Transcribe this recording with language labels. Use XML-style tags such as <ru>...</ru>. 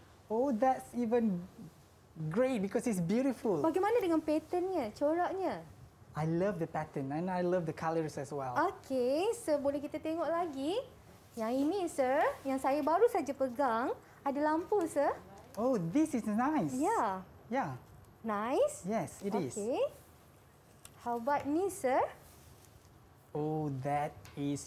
<en>Oh, that's even great because it's beautiful.</en> <ms>Bagaimana dengan patternnya, coraknya?</ms> <en>I love the pattern and I love the colors as well. Okay.</en> <ms>So, boleh kita tengok lagi? Yang ini, sir, yang saya baru saja pegang, ada lampu, sir.</ms> <en>Oh, this is nice. Yeah. Yeah. Nice? Yes, it okay. is. Okay. How about ni, sir? Oh, that is</en>